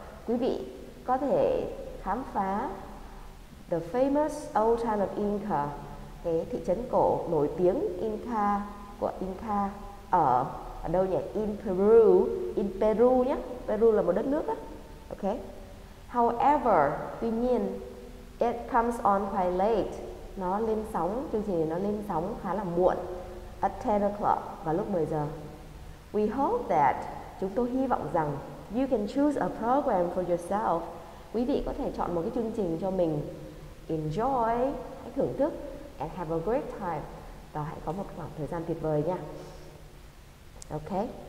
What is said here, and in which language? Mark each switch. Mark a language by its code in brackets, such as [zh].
[vi] Quý vị có thể khám phá [en] the famous old town of Inca, [vi] cái thị trấn cổ nổi tiếng Inca của Inca ở đâu nhỉ? [en] In Peru, in Peru [vi] nhé. Peru là một đất nước á. Okay. However, tuy nhiên, [en] It comes on quite late. [vi] Nó lên sóng, chương trình nó lên sóng khá là muộn. [en] At 10 o'clock, [vi] vào lúc 10 giờ. [en] We hope that, [vi] chúng tôi hy vọng rằng, [en] you can choose a program for yourself. [vi] Quý vị có thể chọn một cái chương trình cho mình. Enjoy, hãy thưởng thức, [en] and have a great time. [vi] Và hãy có một khoảng thời gian tuyệt vời nha. Okay.